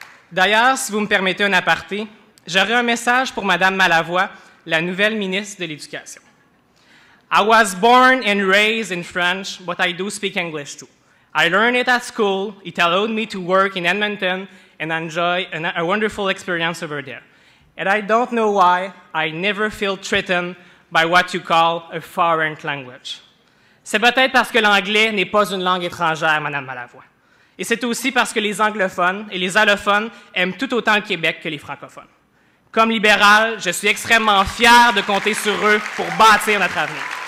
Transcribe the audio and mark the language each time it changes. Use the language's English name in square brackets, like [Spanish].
[French] D'ailleurs, si vous me permettez un aparté, j'aurai un message pour Mme Malavoie, la nouvelle ministre de l'Éducation. [English] « I was born and raised in French, but I do speak English too. » I learned it at school, it allowed me to work in Edmonton and enjoy a wonderful experience over there. And I don't know why I never feel threatened by what you call a foreign language. [French] C'est peut-être parce que l'anglais n'est pas une langue étrangère, Madame Malavoie. Et c'est aussi parce que les anglophones et les allophones aiment tout autant le Québec que les francophones. Comme libéral, je suis extrêmement fier de compter sur eux pour bâtir notre avenir.